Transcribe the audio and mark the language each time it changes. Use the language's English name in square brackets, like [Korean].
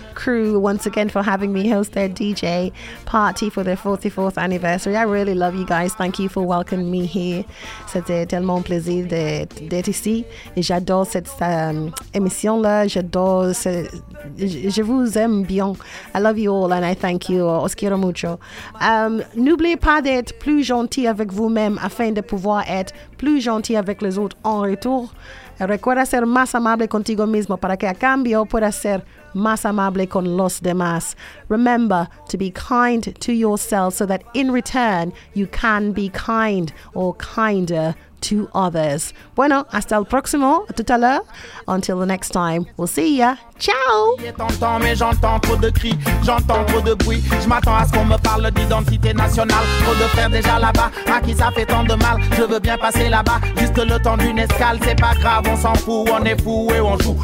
[English] crew once again for having me host their DJ party for their 44th anniversary. I really love you guys. Thank you for welcoming me here. [French] C'était tellement un plaisir d'être ici. Et j'adore cette émission-là. J'adore. Je vous aime bien. [English] I love you all and I thank you. [Spanish] Os quiero mucho. [French] N'oubliez pas d'être plus gentil avec vous-même afin de pouvoir être plus gentil avec les autres en retour. [Spanish] Recuerda ser más amable contigo mismo para que a cambio puedas ser más amable con los demás. [English] Remember to be kind to yourself so that in return you can be kind or kinder to others. [Spanish] Bueno, hasta el próximo, [French] tout à l'heure. [English] Until the next time, we'll see ya. Ciao! [French] J'entends, mais j'entends trop de cris, j'entends trop de bruit. Je m'attends à ce qu'on me parle d'identité nationale. Trop de frères déjà là-bas, à qui ça fait tant de mal. Je veux bien passer là-bas, juste le temps d'une escale. C'est pas grave, on s'en fout, on est fou et on joue.